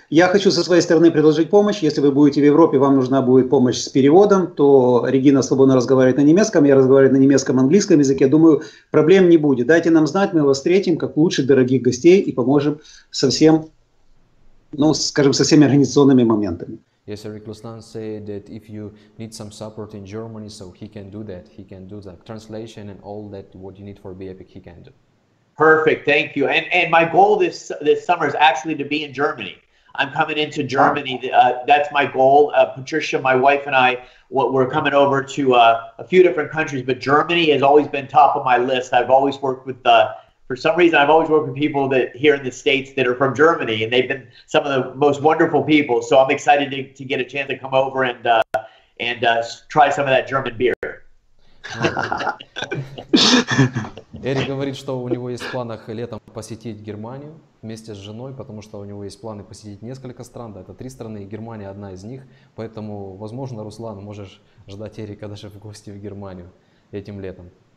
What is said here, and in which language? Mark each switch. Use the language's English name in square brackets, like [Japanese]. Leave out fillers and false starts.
[Russian] Я хочу со своей стороны предложить помощь. Если вы будете в Европе, вам нужна будет помощь с переводом, то Регина свободно разговаривает на немецком, я разговариваю на немецком, английском языке. Думаю, проблем не будет. Дайте нам знать, мы вас встретим как лучших дорогих гостей и поможем со всем, ну, скажем, со всеми организационными моментами. [English] Yes, Eric Luslan said that if you need some support in Germany, so he can do that. He can do the translation and all that what you need for BIPIC, he can do. Perfect. Thank you. And my goal this summer is actually to be in Germany. I'm coming into Germany. That's my goal. Patricia, my wife and I, we're coming over to a few different countries, but Germany has always been top of my list. I've always worked with, for some reason, I've always worked with people that here in the States that are from Germany, and they've been some of the most wonderful people. So I'm excited to get a chance to come over and try some of that German beer. [Russian] Эрик говорит, что у него есть в планах летом посетить Германию вместе с женой, потому что у него есть планы посетить несколько стран, да, это 3 страны, и Германия одна из них, поэтому, возможно, Руслан, можешь ждать Эрика даже в гости в Германию этим летом.